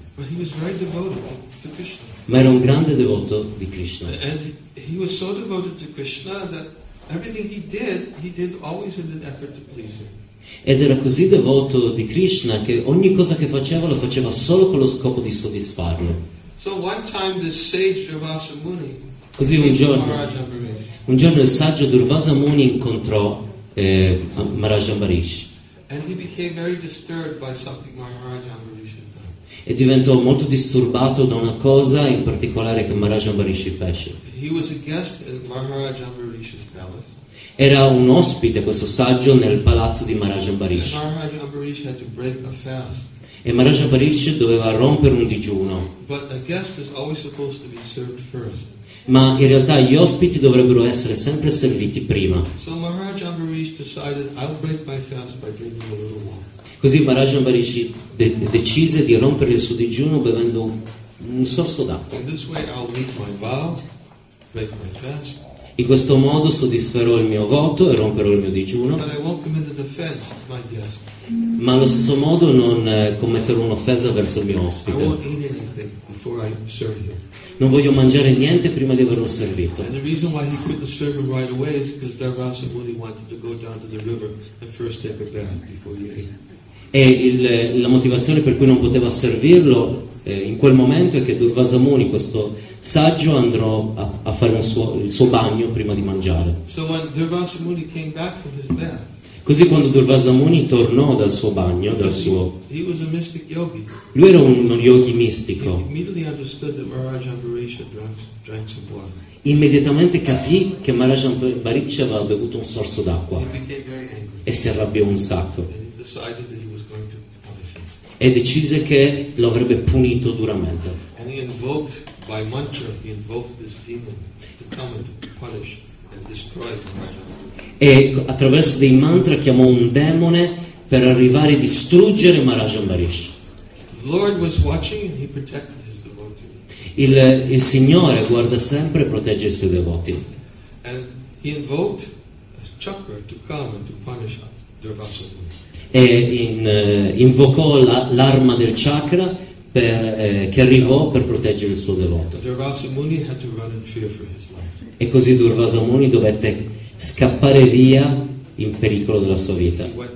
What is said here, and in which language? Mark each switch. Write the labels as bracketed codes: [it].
[en] But he was very devoted to Krishna. [it] Ma era un grande devoto di Krishna. [en] And he was so devoted to Krishna that everything he did always in an effort to please him. [it] Ed era così devoto di Krishna che ogni cosa che faceva lo faceva solo con lo scopo di soddisfarlo. [en] So one time this sage Durvasa Muni, [it] così un giorno il saggio Durvasa Muni incontrò Maharaj Ambarish. [en] And he became very disturbed by something Maharaj Ambarish had done. [it] E diventò molto disturbato da una cosa in particolare che Maharaj Ambarish fece. [en] He was a guest in Maharaj Ambarish's palace. [it] Era un ospite, questo saggio, nel palazzo di Maharaj Ambarish. [en] Maharaj Ambarish had to break a fast. [it] E Maharaj Ambarish doveva rompere un digiuno. [en] But a guest is always supposed to be served first. [it] Ma in realtà gli ospiti dovrebbero essere sempre serviti prima. [en] So Maharaj Ambarish decided, I'll break my fast by drinking a little wine. [it] Così Maharaj Ambarish decise di rompere il suo digiuno bevendo un sorso d'acqua. [en] In this way I'll meet my vow, break my fast. [it] In questo modo soddisferò il mio voto e romperò il mio digiuno. [en] But I won't commit an offense to my guest. [it] Ma allo stesso modo non commetterò un'offesa verso il mio ospite. [en] I won't eat anything before I serve him. [it] Non voglio mangiare niente prima di averlo servito. [en] And the reason why he couldn't serve him right away is because Durvasa Muni wanted to go down to the river and first take a bath before he ate. [it] E la motivazione per cui non poteva servirlo in quel momento è che Durvasa Muni, questo saggio, andrò a fare il suo bagno prima di mangiare. [en] So when Durvasa Muni came back from his bath, [it] così quando Durvasa Muni tornò dal suo bagno, dal suo, [en] he was a mystic yogi. [it] Lui era uno yogi mistico. [en] He immediately understood that Maharaj Ambarish had drank some water. [it] Immediatamente capì che Maharaj Ambarish aveva bevuto un sorso d'acqua. [en] He became very angry. [it] E si arrabbiò un sacco. [en] And he decided that he was going to punish him. [it] E decise che lo avrebbe punito duramente. [en] And he invoked, by mantra, he invoked this demon to come and to punish and destroy Maharaj. [it] E attraverso dei mantra chiamò un demone per arrivare a distruggere Maharaj Ambarish. [en] Lord was watching and he protected his devotee. [it] Il Signore guarda sempre e protegge i suoi devoti. [en] And he invoked a chakra to come and to punish Durvasa Muni. [it] E invocò l'arma del chakra che arrivò per proteggere il suo devoto. [en] Durvasa Muni had to run in fear for his life. [it] E così Durvasa Muni dovette scappare via in pericolo della sua vita.